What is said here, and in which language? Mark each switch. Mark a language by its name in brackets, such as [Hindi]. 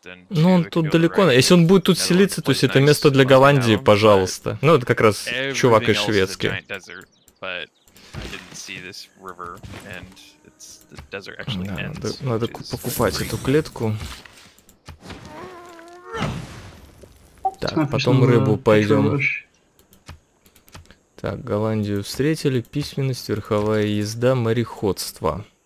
[Russian] Ну, он тут далеко. Если он будет тут селиться, то есть это место для Голландии, пожалуйста. Ну, это как раз чувак из Швеции. [English] I didn't see this river, and it's the desert actually ends. [Russian] Надо покупать эту клетку. Так, потом рыбу пойдем. Так, Голландию встретили. Письменность, верховая езда, мореходство.